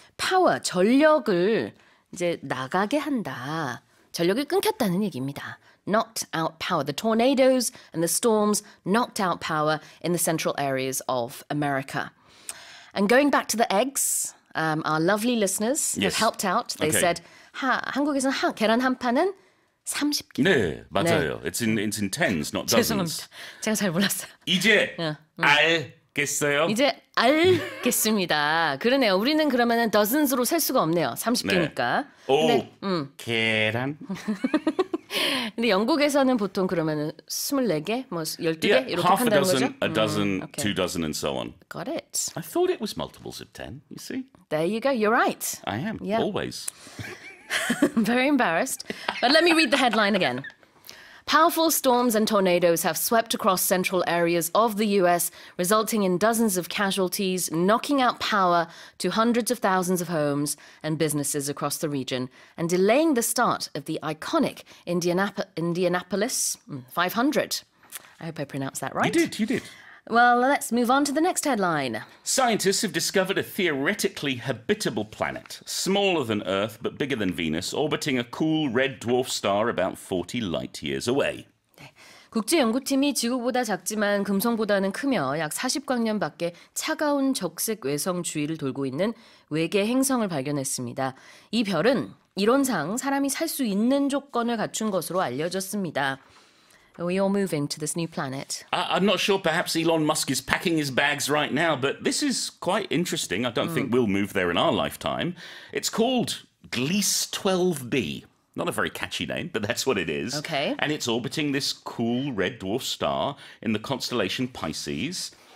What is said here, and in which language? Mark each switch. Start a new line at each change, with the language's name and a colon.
Korean: 파워, 전력을 이제 나가게 한다. 전력이 끊겼다는 얘기입니다.
English: Knocked out power. The tornadoes and the storms knocked out power in the central areas of America. And going back to the eggs, our lovely listeners yes. have helped out. They okay. said,
Korean: 한국에서는 계란 한 판은 30개. 네, 맞아요. 네.
English: It's in tens, not dozens.
Korean: 죄송합니다. 제가 잘 몰랐어요. 이제 알겠어요? 이제 알겠습니다. 그러네요. 우리는 그러면 dozens로 셀 수가 없네요. 30개니까. 네. 오, 근데, 계란? 근데 영국에서는 보통 그러면은 24개, 뭐 12개
English: yeah,
Korean: 이렇게 한다는
English: dozen,
Korean: 거죠?
English: A dozen, okay. two dozen and so on. Got it. I thought it was multiples of 10, you see. There you go. You're right. I am, yeah. always. Very embarrassed. But let me read the headline again. Powerful storms and tornadoes have swept across central areas of the US, resulting in dozens of casualties, knocking out power to hundreds of thousands of homes and businesses across the region, and delaying the start of the iconic Indianapolis 500. I hope I pronounced that right. You did, you did. Well, let's move on to the next headline. Scientists have discovered a theoretically habitable planet, smaller than Earth but bigger than Venus, orbiting a cool red dwarf star about 40 light years away.
Korean: 국제 연구팀이 지구보다 작지만 금성보다는 크며 약 40광년 밖에 차가운 적색 외성 주위를 돌고 있는 외계 행성을 발견했습니다. 이 별은 이론상 사람이 살 수 있는 조건을 갖춘 것으로 알려졌습니다.
English: Are we all moving to this new planet? I'm not sure. Perhaps Elon Musk is packing his bags right now, but this is quite interesting. I don't think we'll move there in our lifetime. It's called Gliese 12b. Not a very catchy name, but that's what it is. Okay. And it's orbiting this cool red dwarf star in the constellation Pisces.